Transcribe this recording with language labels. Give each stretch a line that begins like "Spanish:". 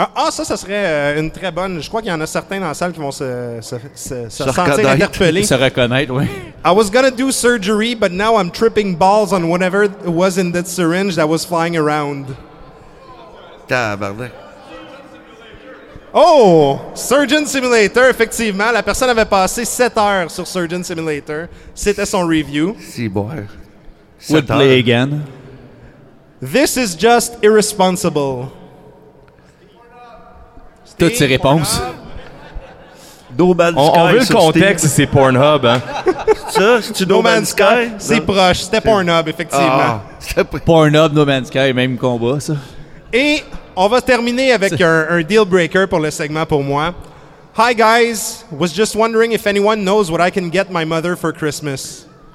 French: Ça serait une très bonne... Je crois qu'il y en a certains dans la salle qui vont se sentir interpellés. Se reconnaître, oui.
English: I was gonna do surgery, but now I'm tripping balls on whatever was in that syringe that was flying around.
French: Tabarnak. Oh! Surgeon Simulator, effectivement. La personne avait passé 7 heures sur Surgeon Simulator. C'était son review. Si bon.
English: Would play again. This is just irresponsible.
French: Toutes ses réponses.
English: No Man's Sky.
French: On veut le contexte, Steam. C'est Pornhub. Hein? C'est ça? C'est-tu No Man's Sky? C'est proche. C'était Pornhub, effectivement. Pornhub, No Man's Sky, même combat, ça. Et on va terminer avec un deal breaker pour le segment pour moi.
English: Hi, guys. Was just wondering if anyone knows what I can get my mother for Christmas.